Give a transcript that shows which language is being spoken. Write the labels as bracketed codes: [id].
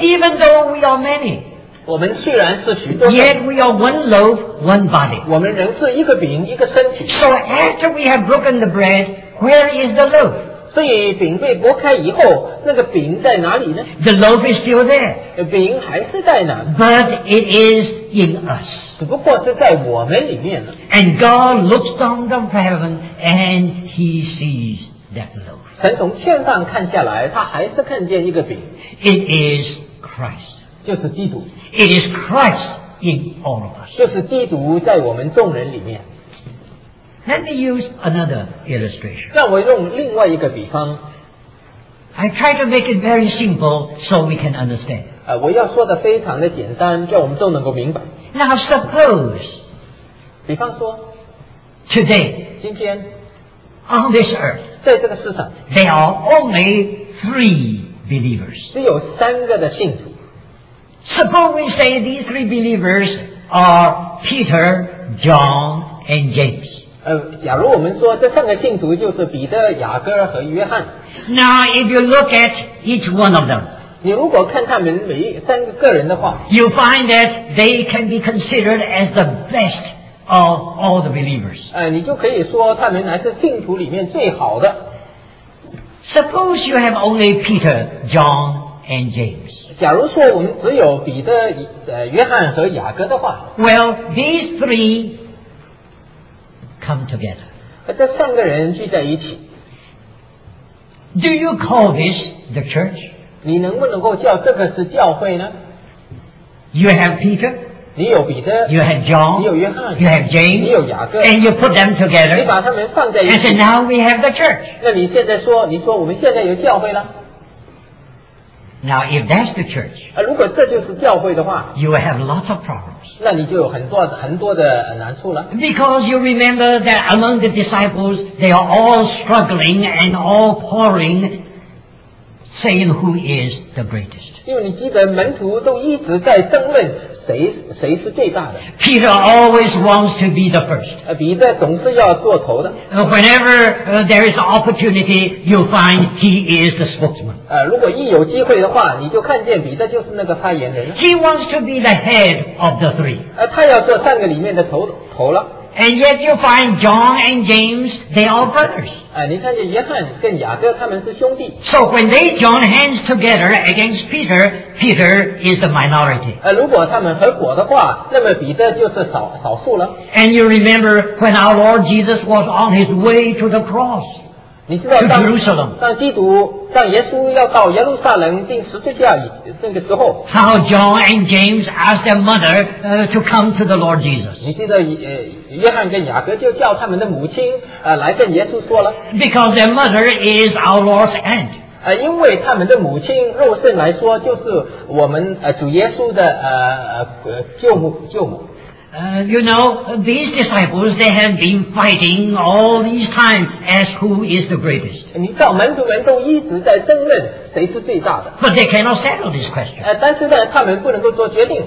[en] Even though we are many, [zh] 我们虽然是许多， [en] yet we are one loaf, one body. [zh] 我们仍是一个饼一个身体。 [en] So after we have broken the bread, where is the loaf? [zh] 所以饼被剥开以后，那个饼在哪里呢？ [en] The loaf is still there. [zh] 饼还是在哪？ [en] But it is in us. [zh] 只不过是在我们里面了。 [en] And God looks down from heaven and he sees that loaf. [zh] 神从天上看下来，他还是看见一个饼。 [en] It is Christ. [zh] 就是基督。 [en] It is Christ in all of us. [zh] 就是基督在我们众人里面。 [en] Let me use another illustration. [zh] 让我用另外一个比方。 [en] I try to make it very simple so we can understand. [zh] 我要说的非常的简单，叫我们都能够明白。 [en] Now suppose, [zh] 比方说 [en] today, [zh] 今天 [en] on this earth, [zh] 在这个世上 [en] there are only three believers. [zh] 只有三个的信徒。 [en] Suppose we say these three believers are Peter, John, and James. [zh] 假如我们说这三个信徒就是彼得、雅各和约翰。 [en] Now if you look at each one of them, [zh] 你如果看他们每三个个人的话， [en] You find that they can be considered as the best of all the believers. [zh] 你就可以说他们还是信徒里面最好的。 [en] Suppose you have only Peter, John, and James. [zh] 假如说我们只有彼得、约翰和雅各的话， [en] Well, these three come together. [zh] 这三个人聚在一起。 [en] Do you call this the church? [zh] 你能不能够叫这个是教会呢？ [en] You have Peter, [zh] 你有彼得。 [en] You have John, [zh] 你有约翰。 [en] You have James, [zh] 你有雅各。 [en] And you put them together, [zh] 你把他们放在一起。 [en] And so now we have the church. [zh] 那你现在说，你说我们现在有教会了。 [en] Now if that's the church, [zh] 如果这就是教会的话， [en] You will have lots of problems. [zh] 那你就有很多的难处了。 [en] Because you remember that among the disciples, they are all struggling and all pouringSaying who is the greatest. [zh] 因为你记得门徒都一直在争论谁是最大的。 [en] Peter always wants to be the first. [zh] 彼得总是要做头的。 [en] Whenever there is opportunity, you find he is the spokesman. [zh] 如果一有机会的话，你就看见彼得就是那个发言人。 [en] He wants to be the head of the three. [zh] 他要做三个里面的头了。 [en] And yet you find John and James, they are brothers. [zh] 你看见约翰跟雅各他们是兄弟。 [en] So when they join hands together against Peter, Peter is the minority. [zh] 如果他们合伙的话，那么彼得就是少数了。 [en] And you remember when our Lord Jesus was on his way to the cross, [zh] 你知道 [en] to Jerusalem. [zh] 当耶稣要到耶路撒冷钉十字架那个时候， [en] how John and James asked their mother to come to the Lord Jesus. [zh] 你记得约翰跟雅各就叫他们的母亲来跟耶稣说了。 [en] Because their mother is our Lord's aunt. [zh] 因为他们的母亲肉身来说就是我们主耶稣的舅母。 [en] You know, these disciples, they have been fighting all these times as who is the greatest. [zh] 你知道门徒们都一直在争论谁是最大的。 [en] But they cannot settle this question. [zh] 但是呢，他们不能够做决定。